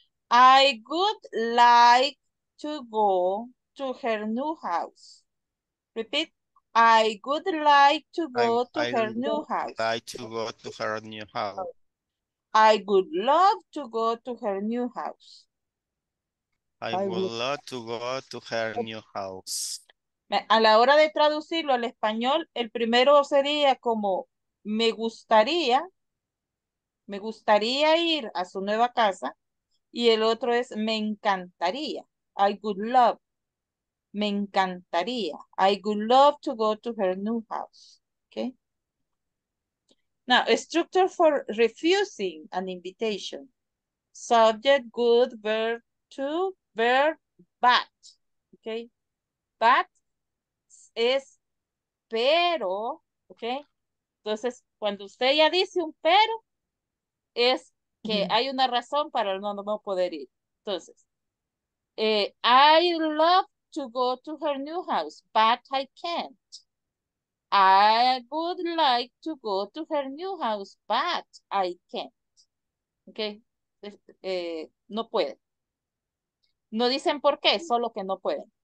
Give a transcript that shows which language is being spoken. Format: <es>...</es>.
<en>I would like to go to her new house. Repeat. I would like to go to her new house. I'd like to go to her new house. I would love to go to her new house. I would love to go to her new house.</en> <es>A la hora de traducirlo al español, el primero sería como me gustaría ir a su nueva casa, y el otro es me encantaría.</es> <en>I would love.</en> <es>Me encantaría.</es> <en>I would love to go to her new house. Okay. Now, a structure for refusing an invitation. Subject, good, verb, to, verb, but. Okay.</en> <es>but es pero, ¿ok? Entonces, cuando usted ya dice un pero, es que hay una razón para el no poder ir. Entonces,</es> <en>I love to go to her new house, but I can't. I would like to go to her new house, but I can't.</en> <es>¿Ok? No puede. No dicen por qué, solo que no pueden.</es>